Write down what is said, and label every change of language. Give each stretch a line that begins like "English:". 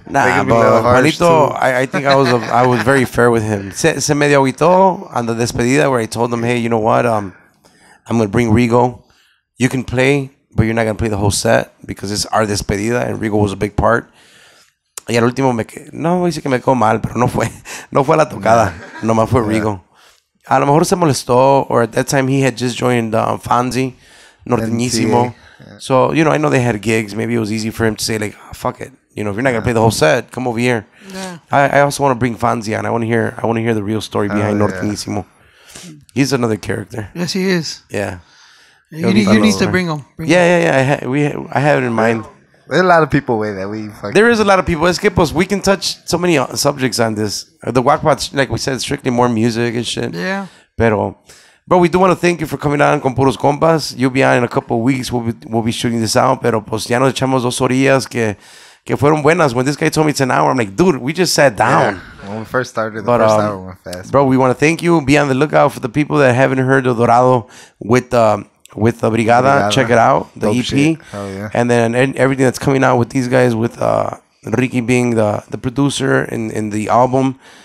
English: Nah, but Juanito, I think I was very fair with him.
Spanish: Se medio aguitó
English: on the despedida where I told him, hey, you know what, I'm going to bring Rigo. You can play, but you're not going to play the whole set because it's our despedida, and Rigo was a big part.
Spanish: Y al último me que... No, dice que me quedó mal, pero no fue la tocada. Nomás fue Rigo. A lo mejor se molestó,
English: or at that time he had just joined Fonzie, Norteñísimo. So, you know, I know they had gigs. Maybe it was easy for him to say, like, oh, fuck it. You know, if you're not going to play the whole set, come over here. Yeah. I also want to bring Fanzi on. I want to hear the real story behind Norteñísimo. He's another character. Yes, he is. Yeah. You need to bring him. Yeah. I have it in mind. There's a lot of people away that we fucking... There is a lot of people.
Spanish: Es que, pues,
English: we can touch so many subjects on this. The Wackpot, like we said, strictly more music and shit. Yeah.
Spanish: Pero...
English: Bro, we do want to thank you for coming on con Puros Compas. You'll be on in a couple of weeks. We'll be shooting this out.
Spanish: Pero pues ya nos echamos dos orillas que fueron buenas.
English: When this guy told me it's an hour, I'm like, dude, we just sat down. Yeah. When we first started, the first hour went fast. Bro, we want to thank you. Be on the lookout for the people that haven't heard of Dorado with the Brigada. Check it out, the dope EP. Hell yeah. And then everything that's coming out with these guys, with Ricky being the producer in the album.